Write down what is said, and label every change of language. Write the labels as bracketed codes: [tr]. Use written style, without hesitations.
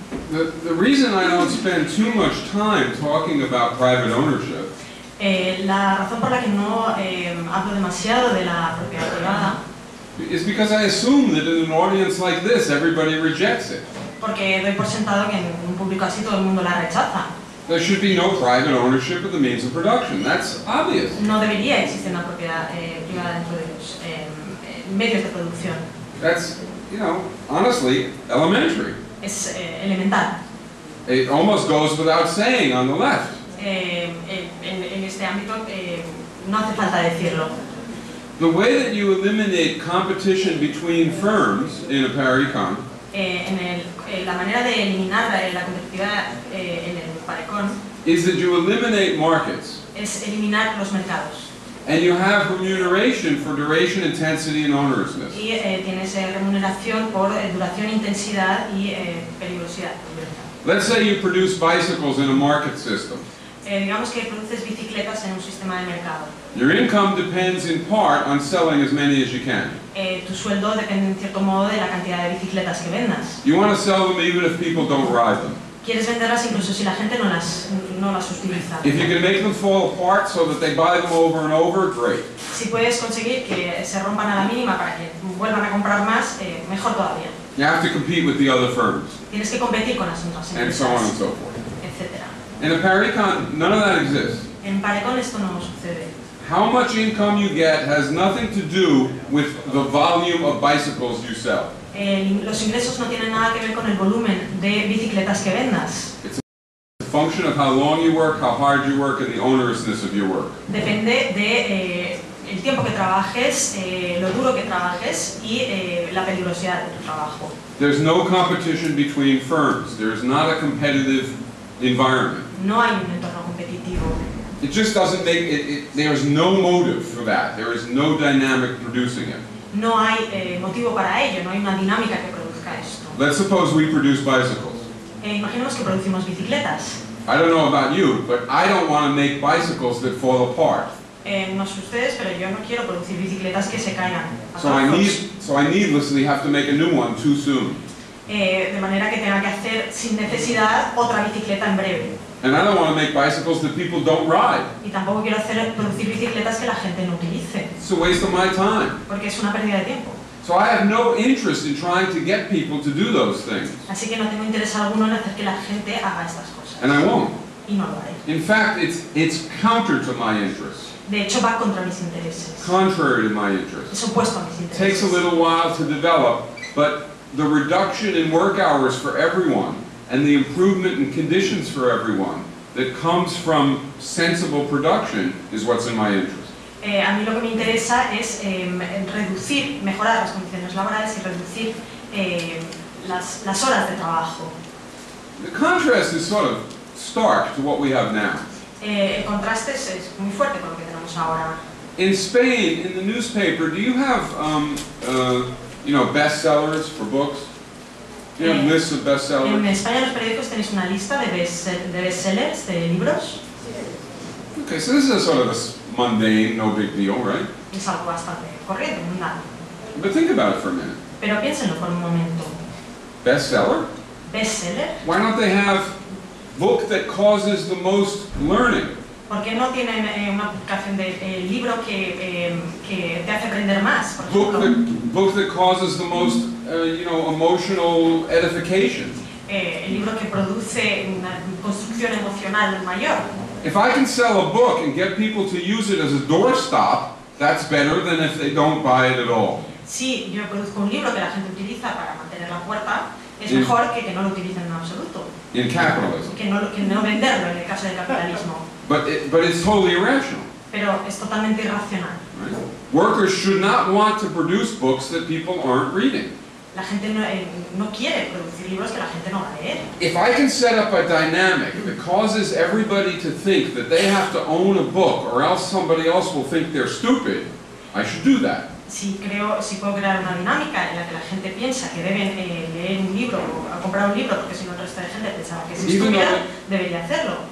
[en] The reason I don't spend too much time talking about private ownership. [es] La razón por la que no hablo demasiado de la propiedad privada. [en] Is because I assume that in an audience like this, everybody rejects it. [es] Porque doy por sentado que en un público así todo el mundo la rechaza. [en] There should be no private ownership of the means of production. That's obvious. [es] No debería existir una propiedad privada dentro de los medios de producción. [en] That's, you know, honestly, elementary. [es] Es elemental. [en] It almost goes without saying on the left. [es] En este ámbito no hace falta decirlo. [en] The way that you eliminate competition between firms in a parecon. [es] La manera de eliminar la competitividad en el parecon. [en] Is that you eliminate markets. [es] Es eliminar los mercados. [en] And you have remuneration for duration, intensity, and onerousness. [es] Y tienes remuneración por duración, intensidad y peligrosidad. [en] Let's say you produce bicycles in a market system. [es] digamos que produces bicicletas en un sistema de mercado. [en] Your income depends in part on selling as many as you can. [es] Tu sueldo depende en cierto modo de la cantidad de bicicletas que vendas. [en] You want to sell them even if people don't ride them. [es] Quieres venderlas incluso si la gente no las utiliza. [en] If you can make them fall apart so that they buy them over and over, great. [es] Si puedes conseguir que se rompan a la mínima para que vuelvan a comprar más, mejor todavía. [en] You have to compete with the other firms. [es] Tienes que competir con las otras empresas. [en] And so on and so forth. [es] Etc. [en] In a parecon, none of that exists. [es] En parecon esto no sucede. [en] How much income you get has nothing to do with the volume of bicycles you sell. [es] Los ingresos no tienen nada que ver con el volumen de bicicletas que vendas. [en] It's a function of how long you work, how hard you work, and the onerousness of your work. [es] Depende de el tiempo que trabajes, lo duro que trabajes, y la peligrosidad de tu trabajo. [en] There's no competition between firms. There's not a competitive environment. [es] No hay un entorno competitivo. [en] It just doesn't make it, it. There is no motive for that. There is no dynamic producing it. [es] No hay motivo para ello. No hay una dinámica que produzca esto. [en] Let's suppose we produce bicycles. [es] Imaginemos que producimos bicicletas. [en] I don't know about you, but I don't want to make bicycles that fall apart. [es] No sé ustedes, pero yo no quiero producir bicicletas que se caigan. [en] So I needlessly have to make a new one too soon. [es] De manera que tenga que hacer sin necesidad otra bicicleta en breve. [en] And I don't want to make bicycles that people don't ride. [es] Y tampoco quiero hacer producir bicicletas que la gente no utilice. [en] It's a waste of my time. [es] Porque es una pérdida de tiempo. [en] So I have no interest in trying to get people to do those things. [es] Así que no tengo interés alguno en hacer que la gente haga estas cosas. [en] And I won't. [es] Y no lo haré. [en] In fact, it's counter to my interest. [es] De hecho, va contra mis intereses. [en] Contrary to my interest. [es] Es opuesto a mis intereses. [en] Takes a little while to develop, but the reduction in work hours for everyone and the improvement in conditions for everyone that comes from sensible production is what's in my interest. [es] A mí lo que me interesa es reducir, mejorar las condiciones laborales y reducir las horas de trabajo. [en] The contrast is sort of stark to what we have now. [es] El contraste es muy fuerte con lo que tenemos ahora. [en] In Spain, in the newspaper, do you have bestsellers for books? You have lists of bestsellers. [es] En España los periódicos tenéis una lista de bestsellers, de libros. [en] Okay, so this is a sort of a mundane, no big deal, right? [es] Es algo bastante corriente, mundano. [en] But think about it for a minute. [es] Pero piénsenlo por un momento. [en] Bestseller? [es] Bestseller. [en] Why don't they have book that causes the most learning? [es] ¿Por qué no tienen una publicación de libro que te hace aprender más? [en] Book that causes the most emotional edification. [es] El libro que produce una construcción emocional mayor. [en] If I can sell a book and get people to use it as a doorstop, that's better than if they don't buy it at all. [es] Si yo produzco un libro que la gente utiliza para mantener la puerta, es mejor que no lo utilicen en absoluto. [en] In capitalism. [es] Que no venderlo en el caso del capitalismo. [en] But it's totally irrational. [es] Pero es totalmente irracional. [en] Right? Workers should not want to produce books that people aren't reading. [es] La gente no quiere producir libros que la gente no va a leer. [en] If I can set up a dynamic that causes everybody to think that they have to own a book or else somebody else will think they're stupid, I should do that. [es] Si puedo crear una dinámica en la que la gente piensa que deben leer un libro o comprar un libro porque si no el resto de gente pensaba que es estúpida, debería hacerlo.